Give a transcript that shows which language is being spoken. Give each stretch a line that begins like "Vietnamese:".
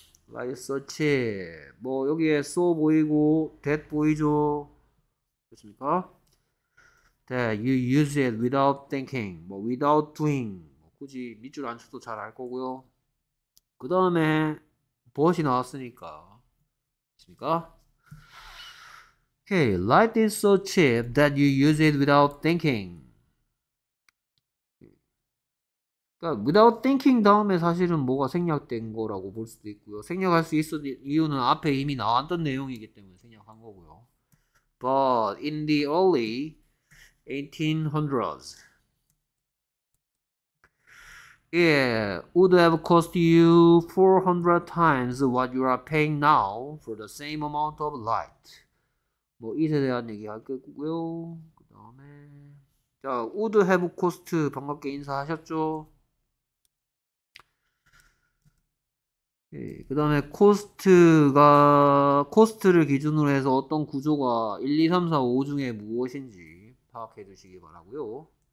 Korean: Light such, 뭐 여기에 so 보이고 that 보이죠. 그렇습니까? That you use it without thinking, 뭐 without doing, 뭐 굳이 밑줄 안 쳐도 잘알 거고요. 그 다음에 무엇이 나왔으니까, 있습니까?
English: Okay, light is so cheap that you use it without thinking.
Korean: 그러니까 without thinking 다음에 사실은 뭐가 생략된 거라고 볼 수도 있고요. 생략할 수 있었던 이유는 앞에 이미 나왔던 내용이기 때문에 생략한 거고요.
English: But in the early 1800s, it would have cost you 400 times what you are paying now for the same amount of light.
Korean: 뭐 이에 대한 얘기 할 거고요. 그다음에 자, would have cost 반갑게 인사하셨죠? 예, 그 다음에 코스트를 기준으로 해서 어떤 구조가 1, 2, 3, 4, 5 중에 무엇인지 파악해 두시기 바라고요.